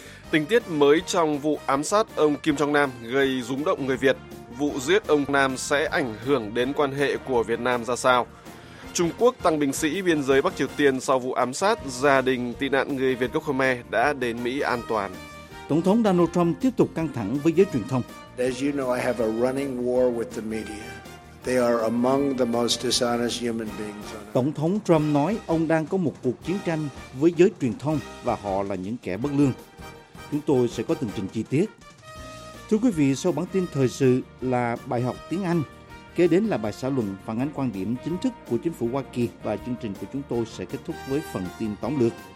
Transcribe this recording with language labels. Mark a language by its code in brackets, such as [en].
[vi] Tình tiết mới trong vụ ám sát ông Kim Jong Nam gây rúng động người Việt. Vụ giết ông Nam sẽ ảnh hưởng đến quan hệ của Việt Nam ra sao? Trung Quốc tăng binh sĩ biên giới Bắc Triều Tiên sau vụ ám sát. Gia đình tị nạn người Việt gốc Khmer đã đến Mỹ an toàn. Tổng thống Donald Trump tiếp tục căng thẳng với giới truyền thông. [en] As you know, I have a running war with the media. They are among the most dishonest human beings. [vi] Tổng thống Trump nói ông đang có một cuộc chiến tranh với giới truyền thông và họ là những kẻ bất lương. Chúng tôi sẽ có tường trình chi tiết. Thưa quý vị, sau bản tin thời sự là bài học tiếng Anh. Kế đến là bài xã luận phản ánh quan điểm chính thức của chính phủ Hoa Kỳ và chương trình của chúng tôi sẽ kết thúc với phần tin tóm lược.